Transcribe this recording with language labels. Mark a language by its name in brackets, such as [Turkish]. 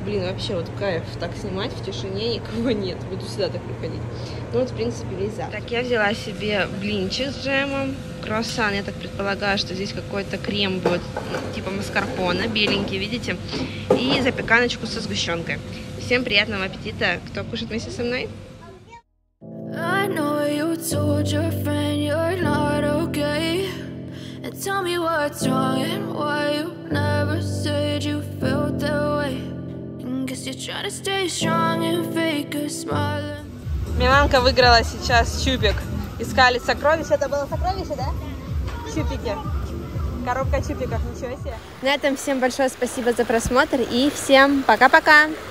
[Russian] Блин, вообще вот кайф так снимать в тишине, никого нет, буду сюда так приходить. Ну вот, в принципе, весь завтрак. Так, я взяла себе блинчик с джемом, круассан, я так предполагаю, что здесь какой-то крем будет, типа маскарпоне, беленький, видите, и запеканочку со сгущенкой. Всем приятного аппетита, кто кушает вместе со мной. [English] I know you told your friend you're not okay. And tell me what's wrong and why you never said you felt that way. Guess you're trying to stay strong and fake a smile. [Russian] Миланка выиграла сейчас чупик. Искали сокровище. Это было сокровище, да? Чупики. Коробка чупиков, ничего себе. На этом всем большое спасибо за просмотр и всем пока-пока!